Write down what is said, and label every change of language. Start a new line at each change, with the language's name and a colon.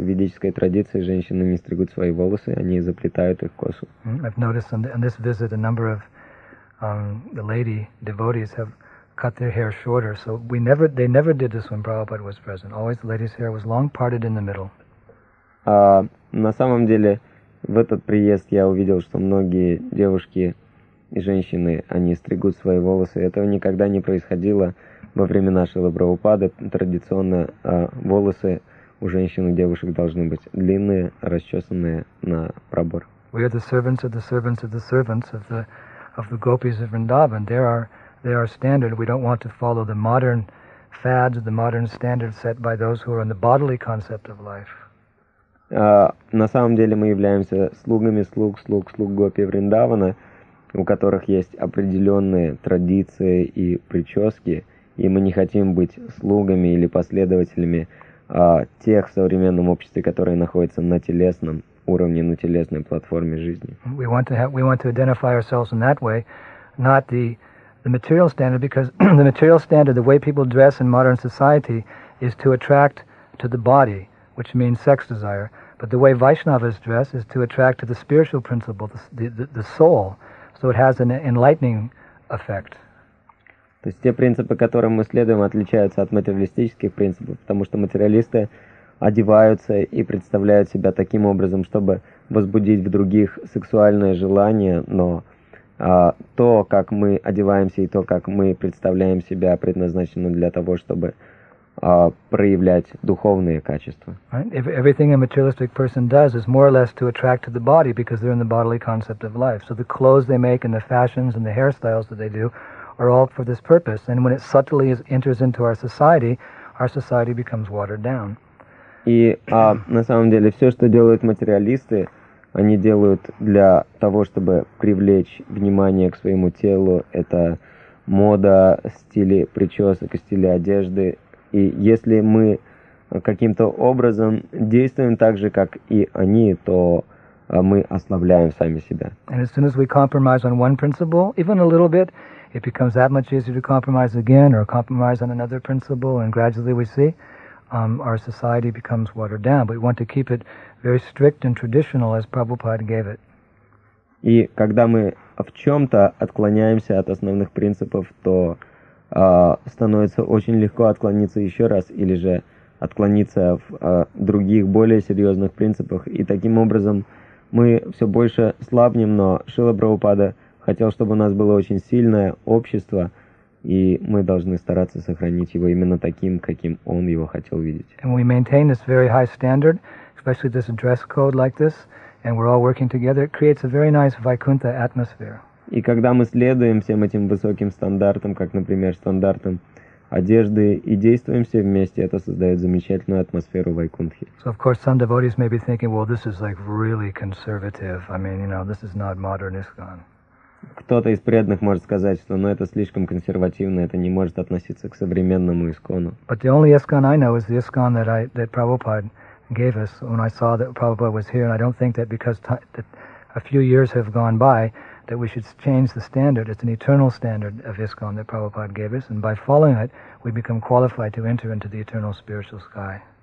Russian: В ведической традиции женщины не стригут свои волосы, они заплетают их косу.
English: I've noticed on this visit a number of the lady devotees have cut their hair shorter, so they never did this when Prabhupada was present. Always the lady's hair was long, parted in the middle.
Russian: На самом деле, в этот приезд я увидел, что многие девушки и женщины, они стригут свои волосы. Этого никогда не происходило во времена Шрилы Прабхупады. Традиционно волосы у женщин и девушек должны быть длинные, расчесанные на пробор.
English: We are the servants of the servants of the servants of the gopis of Vrindavan. They are standard. We don't want to follow the modern fads, the modern standards set by those who are in the bodily concept of life.
Russian: На самом деле мы являемся слугами слуг гопи Вриндавана, у которых есть определенные традиции и прически, и мы не хотим быть слугами или последователями тех в современном обществе, которые находятся на телесном уровне, на телесной платформе жизни.
English: We want to identify ourselves in that way, not the material standard, because the material standard, the way people dress in modern society, is to attract to the body, which means sex desire. But the way Vaishnavas dress is to attract to the spiritual principle, the soul. So it has an enlightening effect.
Russian: То есть те принципы, которым мы следуем, отличаются от материалистических принципов, потому что материалисты одеваются и представляют себя таким образом, чтобы возбудить в других сексуальное желание, но то, как мы одеваемся и то, как мы представляем себя, предназначено для того, чтобы проявлять духовные качества.
English: Right? Everything a materialistic person does is more or less to attract to the body, because they're in the bodily concept of life. So the clothes they make and the fashions and the hairstyles that they do are all for this purpose. And when it subtly enters into our society becomes watered down.
Russian: И на самом деле все, что делают материалисты, они делают для того, чтобы привлечь внимание к своему телу. Это мода, стили причесок, стили одежды. И если мы каким-то образом действуем так же, как и они, то мы ослабляем сами себя.
English: And as soon as we compromise on one principle, even a little bit, it becomes that much easier to compromise again or compromise on another principle, and gradually we see our society becomes watered down. But we want to keep it very strict and traditional, as Prabhupada gave it.
Russian: И когда мы в чем-то отклоняемся от основных принципов, то становится очень легко отклониться еще раз или же отклониться в других, более серьезных принципах. И таким образом мы все больше слабнем, но Шрила Прабхупада хотел, чтобы у нас было очень сильное общество, и мы должны стараться сохранить его именно таким, каким он его хотел видеть.
English: And we maintain this very high standard, especially this dress code like this, and we're all working together, it creates a very nice Vaikuntha atmosphere.
Russian: И когда мы следуем всем этим высоким стандартам, как, например, стандартам одежды, и действуем все вместе, это создает замечательную атмосферу Вайкунтхи.
English: So of course some devotees may be thinking, well, this is like really conservative. I mean, you know, this is not modern ISKCON.
Russian: Кто-то из преданных может сказать, что ну, это слишком консервативно, это не может относиться к современному ИСККОНу.
English: But the only ISKCON I know is the ISKCON that Prabhupada gave us when I saw that Prabhupada was here, and I don't think that because that a few years have gone by that we should change the standard. It's an eternal standard of ISKCON that Prabhupada gave us, and by following it, we become qualified to enter into the eternal spiritual sky.